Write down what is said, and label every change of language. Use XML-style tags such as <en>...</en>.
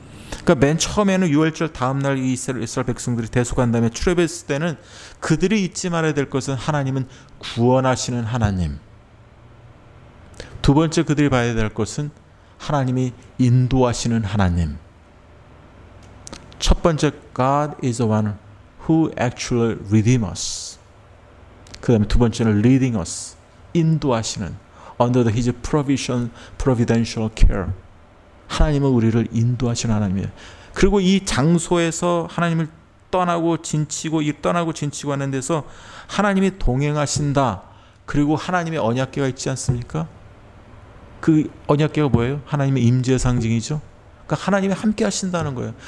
<ko>그러니까 맨 처음에는 유월절 다음날 이스라엘 백성들이 대속한 다음에 출애굽했을 때는 그들이 잊지 말아야 될 것은 하나님은 구원하시는 하나님. 두 번째 그들이 봐야 될 것은 하나님이 인도하시는 하나님. 첫 번째</ko> <en>God is the one who actually redeem us.</en> <ko>그 다음에 두 번째는</ko> <en>leading us,</en> <ko>인도하시는</ko> <en>Under his provision, providential care.</en> <ko>하나님은 우리를 인도하시는 하나님이에요. 그리고 이 장소에서 하나님을 떠나고 진치고 하는 데서 하나님이 동행하신다. 그리고 하나님의 언약궤가 있지 않습니까? 그 언약궤가 뭐예요? 하나님의 임재 상징이죠. 그러니까 하나님이 함께 하신다는 거예요.</ko>